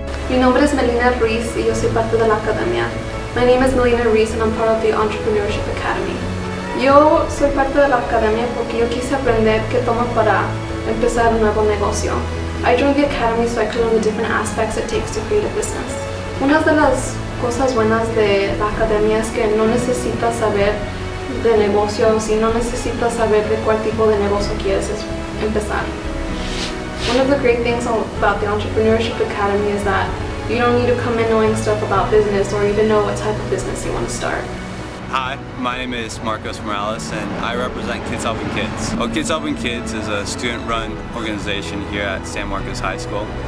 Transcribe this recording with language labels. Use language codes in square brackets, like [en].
[es] Mi nombre es Melina Ruiz y yo soy parte de la academia. [en] My name is Melina Ruiz and I'm part of the Entrepreneurship Academy. [es] Yo soy parte de la academia porque yo quise aprender qué toma para empezar un nuevo negocio. [en] I joined the academy so I could learn the different aspects it takes to create a business. [es] Una de las cosas buenas de la academia es que no necesitas saber de negocios y no necesitas saber de cuál tipo de negocio quieres empezar. [en] One of the great things about the Entrepreneurship Academy is that you don't need to come in knowing stuff about business or even know what type of business you want to start. Hi, my name is Marcos Morales and I represent Kids Helping Kids. Well, Kids Helping Kids is a student-run organization here at San Marcos High School.